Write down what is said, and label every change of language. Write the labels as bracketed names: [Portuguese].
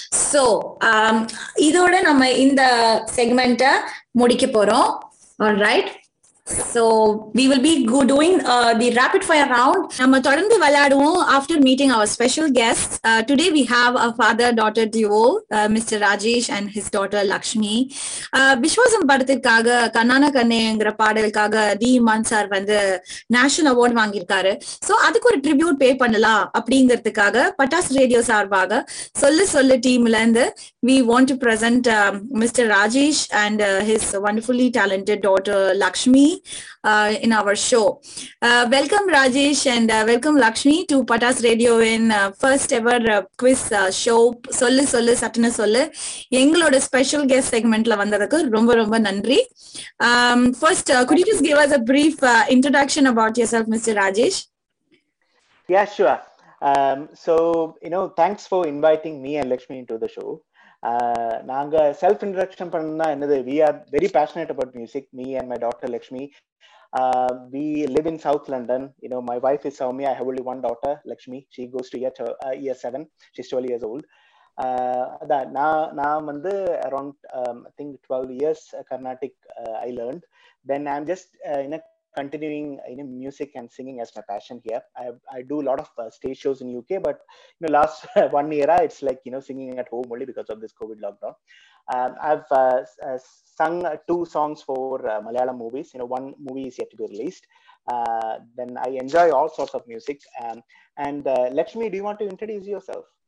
[Tamil] So இதோட நம்ம இந்த செக்மெண்ட்டை முடிக்க போறோம். Alright, [English] So we will be doing the rapid fire round. [Tamil] நம்ம தொடர்ந்து விளையாடுவோம் [English] after meeting our special guests. Today we have a father daughter duo, Mr. Rajesh and his daughter Lakshmi. [Tamil] விஸ்வாசம் படத்திற்காக கண்ணான கண்ணேங்கிற பாடலுக்காக தி இமான் சார் வந்து நேஷனல் அவார்ட் வாங்கியிருக்காரு. So அதுக்கு ஒரு tribute பே பண்ணலாம் அப்படிங்கிறதுக்காக பட்டாஸ் ரேடியோ சார்பாக சொல்லு சொல்லு டீம்ல இருந்து [English] we want to present Mr. Rajesh and his wonderfully talented daughter Lakshmi in our show. Welcome Rajesh and welcome Lakshmi to Patas Radio in first ever quiz show Sollu Sollu Sattunu Sollu. [Tamil] எங்களோட special guest செக்மெண்ட்ல வந்ததுக்கு ரொம்ப ரொம்ப நன்றி. [English] First could you just give us a brief introduction about yourself, Mr. Rajesh? Yeah, sure. So you know, thanks for inviting me and Lakshmi into the show. [Tamil] நாங்க self இன்ட்ரக்ஷன் பண்ணா என்னது, [English] We are very passionate about music, me and my daughter Lakshmi. We live in south London. You know, my wife is Soumya, I have only one daughter Lakshmi, she goes to year 7, she's 12 years old. [Tamil] அதான் நான் வந்து [English] Around I think 12 years Carnatic I learnt, then I am just in a continuing in music and singing as my passion here. I do a lot of stage shows in UK, but you know, last 1 year it's like, you know, singing at home only because of this COVID lockdown. I've sung 2 songs for Malayalam movies. You know, one movie is yet to be released. Then I enjoy all sorts of music. Lakshmi, do you want to introduce yourself?